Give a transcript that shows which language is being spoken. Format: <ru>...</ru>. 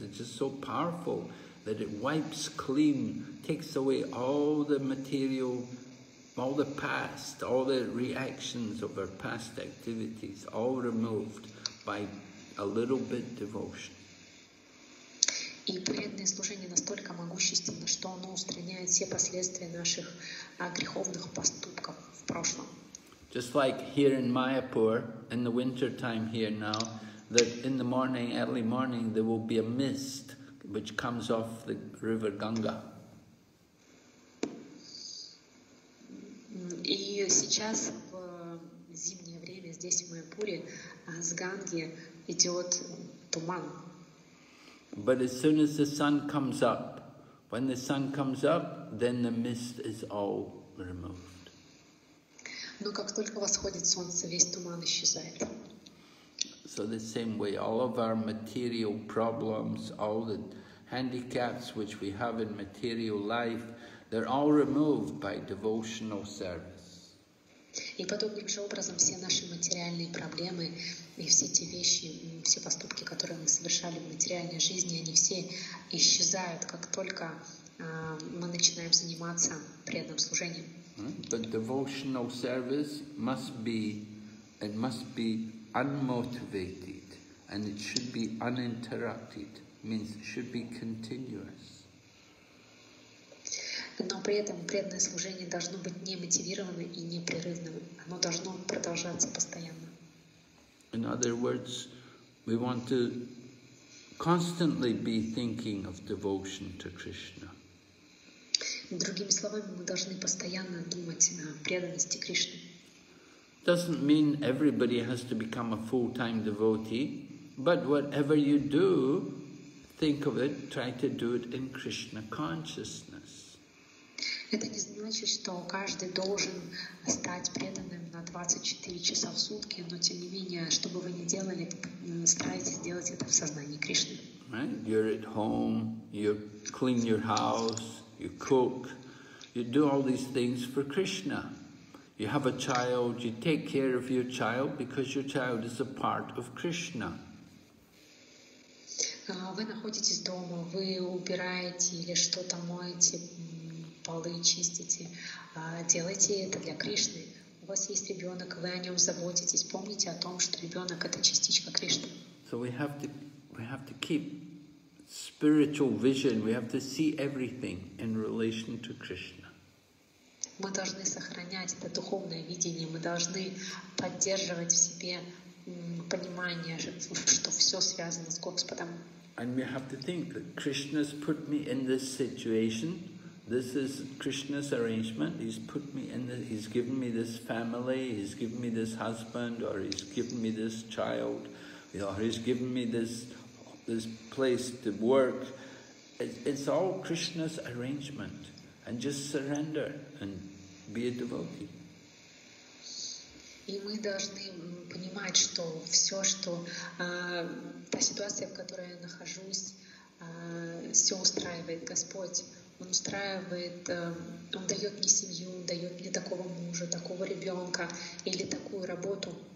<en>It's just so powerful that it wipes clean, takes away all the material, all the past, all the reactions of our past activities, all removed by a little bit devotion.</en> <ru>И преданное служение настолько могущественно, что оно устраняет все последствия наших греховных поступков в прошлом.</ru> <en>Just like here in Mayapur, in the winter time here now, that in the morning, early morning, there will be a mist which comes off the river Ganga.</en> <ru>И сейчас в зимнее время здесь в Майяпуре с Ганги идет туман.</ru> <en>But as soon as the sun comes up, when the sun comes up, then the mist is all removed.</en> <ru>Но как только восходит солнце, весь туман исчезает.</ru> <en>So the same way, all of our material problems, all the handicaps which we have in material life, they're all removed by devotional service.</en> <ru>И подобным же образом все наши материальные проблемы и все те вещи, все поступки, которые мы совершали в материальной жизни, они все исчезают, как только мы начинаем заниматься преданным служением.</ru> <en>But devotional service must be unmotivated, and it should be uninterrupted. Means it should be continuous.</en> <ru>Но при этом преданное служение должно быть не мотивировано и непрерывным. Оно должно продолжаться постоянно.</ru> <en>In other words, we want to constantly be thinking of devotion to Krishna.</en> <ru>Другими словами, мы должны постоянно думать о преданности Кришне.</ru> <en>Doesn't mean everybody has to become a full-time devotee, but whatever you do, think of it, try to do it in Krishna consciousness.</en> <ru>Это не значит, что каждый должен стать преданным на 24 часа в сутки, но тем не менее, что бы вы ни делали, старайтесь делать это в сознании Кришны.</ru> <en>Right? You're at home, you clean your house, you cook, you do all these things for Krishna. You have a child, you take care of your child because your child is a part of Krishna.</en> <ru>Вы находитесь дома, вы убираете или что-то моете, полы чистите. Делайте это для Кришны. У вас есть ребенок, вы о нем заботитесь. Помните о том, что ребенок — это частичка Кришны.</ru> <en>So we have to keep spiritual vision. We have to see everything in relation to Krishna.</en> <ru>Мы должны сохранять это духовное видение. Мы должны поддерживать в себе понимание, что все связано с Господом.</ru> <en>And we have to think that Krishna's put me in this situation. This is Krishna's arrangement. He's put me in this. He's given me this family. He's given me this husband, or he's given me this child, or he's given me this place to work. It's all Krishna's arrangement, and just surrender and be a devotee.</en> <ru>И мы должны понимать, что все, что та ситуация, в которой я нахожусь, все устраивает Господь. Он устраивает, он дает мне семью, он дает мне такого мужа, такого ребенка или такую работу.</ru>